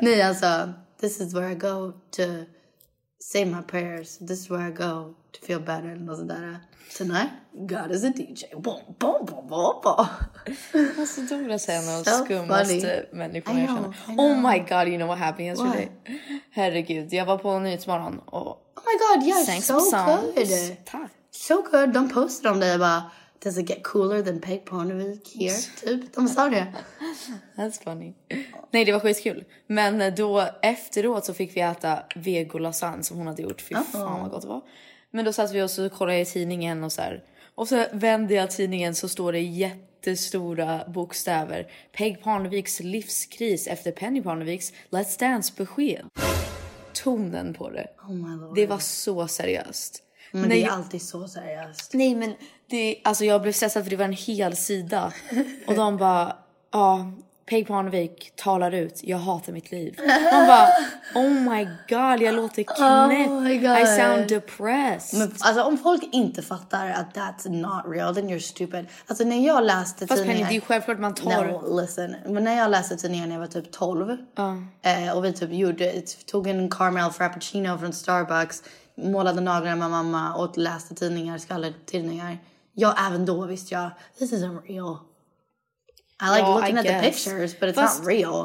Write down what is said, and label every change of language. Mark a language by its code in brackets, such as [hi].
[sv] Nej, han sa, [en] this is where I go to say my prayers. This is where I go to feel better. [sv] Och sådär. [en] Tonight, God is a DJ. Boom, boom, boom, boom, boom. [sv] Alltså, Douglas är en av de skummaste människorna jag känner. [en] Oh my god, you know what happened yesterday? [sv] Herregud, jag var på Nyhetsmorgon och... [en] Oh my god, yeah, so good. [sv] Tack. [en] So good, [sv] de postade om det bara... [en] Does it get cooler than Peg Ponovic here? [sv] Typ, de sa det. [en] That's funny. [sv] Nej, det var skitkul. Men då, efteråt så fick vi äta vegolasagne som hon hade gjort. Fy fan vad gott det var. Men då satt vi och så kollade i tidningen och så här. Och så vände jag tidningen så står det jättestora bokstäver. Peg Parneviks livskris efter Penny Parneviks Let's Dance besked. Tonen på det. [en] Oh my lord. [sv] Det var så seriöst. Men nej, det är alltid så seriöst. Nej men, det, alltså jag blev stressad för det var en hel sida. Och de bara, ja, Peg Parnevik talar ut. Jag hatar mitt liv. Man bara, [en] oh my god, [sv] jag låter knäpp. Oh [en] I sound depressed. [sv] Men, alltså om folk inte fattar att [en] that's not real, then you're stupid. [sv] Alltså när jag läste tidningar... Fast Penny, det är självklart man tar... [en] No, listen. [sv] Men när jag läste tidningar när jag var typ 12. Och vi typ gjorde, tog en caramel frappuccino från Starbucks. Målade naglarna med mamma och läste tidningar, skallertidningar. Ja, även då visste jag, [en] this isn't real. I like looking at the pictures, but it's not real.